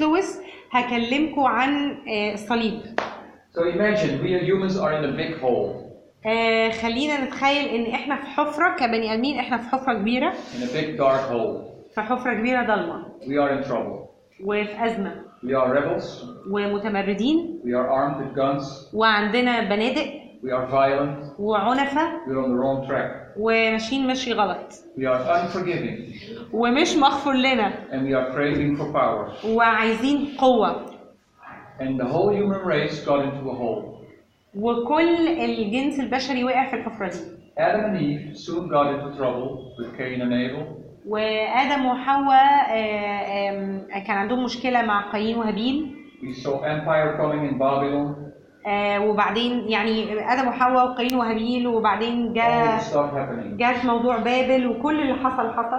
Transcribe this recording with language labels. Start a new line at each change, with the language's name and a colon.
Arabic: Lewis هكلمكوا عن الصليب.
English: So imagine we humans are in a big hole.
Arabic: خلينا نتخيل ان احنا في حفرة كبني آدمين احنا في حفرة كبيرة.
English: In a big dark hole.
Arabic: في حفرة كبيرة ضلمة.
English: We are in trouble.
Arabic: وفي أزمة.
English: We are rebels.
Arabic: ومتمردين.
English: We are armed with guns.
Arabic: وعندنا بنادق.
English: We are violent.
Arabic: وعنفة.
English: We are on the wrong track.
Arabic: وماشيين مشي غلط.
English: We are unforgiving.
Arabic: ومش مغفور لنا.
English: And we are craving for power.
Arabic: وعايزين قوة.
English: And the whole human race got into a hole.
Arabic: وكل الجنس البشري وقع في الحفرة دي.
English: Adam and Eve soon got into trouble with Cain and Abel.
Arabic: وآدم وحواء كان عندهم مشكلة مع قايين وهابيل.
English: We saw empire coming in Babylon.
Arabic: وبعدين يعني آدم وحواء وقايين وهابيل وبعدين جاء موضوع بابل وكل اللي حصل.